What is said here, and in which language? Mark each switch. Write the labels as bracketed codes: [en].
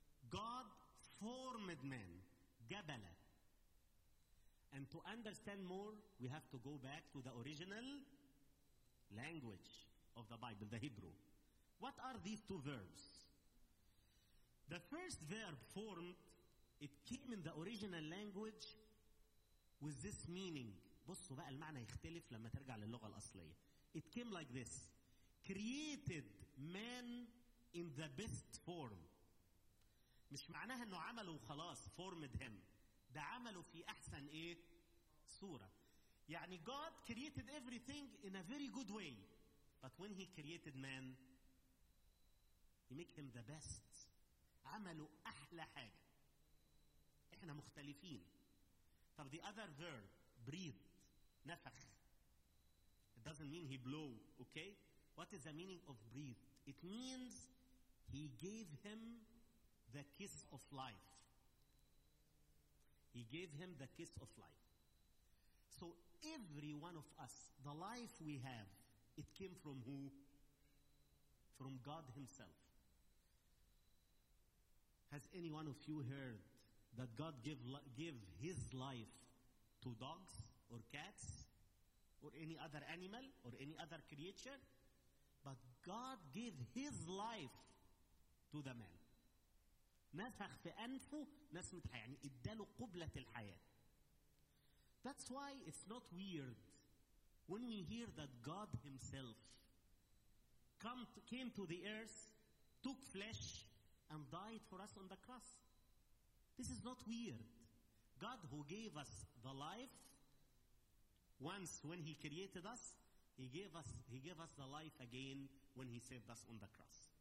[en] God formed man, جبل. And to understand more, we have to go back to the original language of the Bible, the Hebrew. What are these two verbs? The first verb, formed, it came in the original language with this meaning. [ar] بصوا بقى المعنى يختلف لما ترجع للغة الأصلية. [en] It came like this. Created man in the best form. [ar] مش معناها انه عمله وخلاص, [en] formed him. [ar] ده عمله في احسن ايه؟ صورة. [en] يعني God created everything in a very good way. But when he created man, he make him the best. [ar] عمله احلى حاجة. احنا مختلفين. [en] طب the other verb, breathe, نفخ. It doesn't mean he blow, okay? What is the meaning of breathe? It means he gave him the kiss of life. He gave him the kiss of life. So every one of us, the life we have, it came from who? From God himself. Has any one of you heard that God give his life to dogs or cats or any other animal or any other creature? But God gave his life to the man. [ar] نفخ في أنفه نسمة الحياة, يعني إداله قبلة الحياة. [en] That's why it's not weird when we hear that God himself came to the earth, took flesh and died for us on the cross. This is not weird. God who gave us the life once when he created us, he gave us the life again when he saved us on the cross.